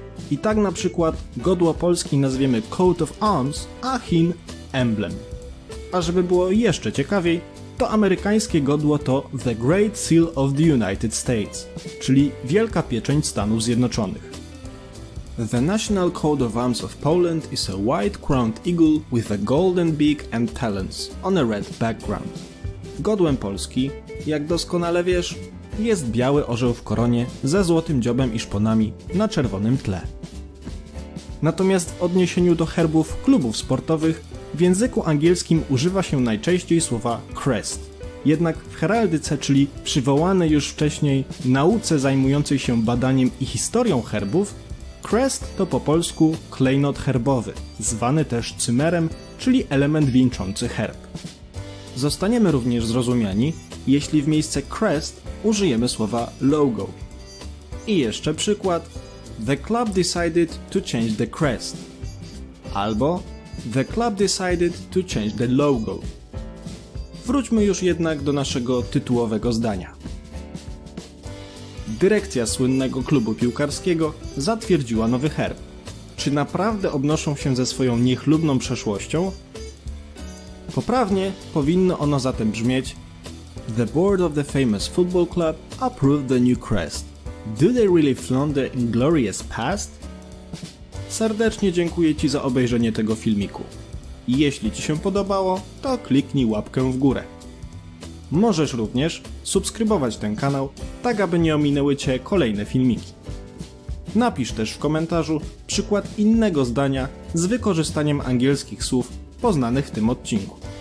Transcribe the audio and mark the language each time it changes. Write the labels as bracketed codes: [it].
[pl] I tak na przykład godło Polski nazwiemy Coat of Arms, a Chin emblem. A żeby było jeszcze ciekawiej, to amerykańskie godło to The Great Seal of the United States, czyli Wielka Pieczęć Stanów Zjednoczonych. [en] The National Coat of Arms of Poland is a white-crowned eagle with a golden beak and talons on a red background. [pl] Godłem Polski, jak doskonale wiesz, jest biały orzeł w koronie ze złotym dziobem i szponami na czerwonym tle. Natomiast w odniesieniu do herbów klubów sportowych, w języku angielskim używa się najczęściej słowa crest. Jednak w heraldyce, czyli przywołanej już wcześniej nauce zajmującej się badaniem i historią herbów, crest to po polsku klejnot herbowy, zwany też cymerem, czyli element wieńczący herb. Zostaniemy również zrozumiani, jeśli w miejsce crest użyjemy słowa logo. I jeszcze przykład. [en] The club decided to change the crest. [pl] albo [en] The club decided to change the logo. [pl] Wróćmy już jednak do naszego tytułowego zdania. Dyrekcja słynnego klubu piłkarskiego zatwierdziła nowy herb. Czy naprawdę obnoszą się ze swoją niechlubną przeszłością? Poprawnie powinno ono zatem brzmieć: [en] The board of the famous football club approved the new crest. Do they really flaunt the inglorious past? [pl] Serdecznie dziękuję Ci za obejrzenie tego filmiku. Jeśli Ci się podobało, to kliknij łapkę w górę. Możesz również subskrybować ten kanał, tak aby nie ominęły Cię kolejne filmiki. Napisz też w komentarzu przykład innego zdania z wykorzystaniem angielskich słów poznanych w tym odcinku.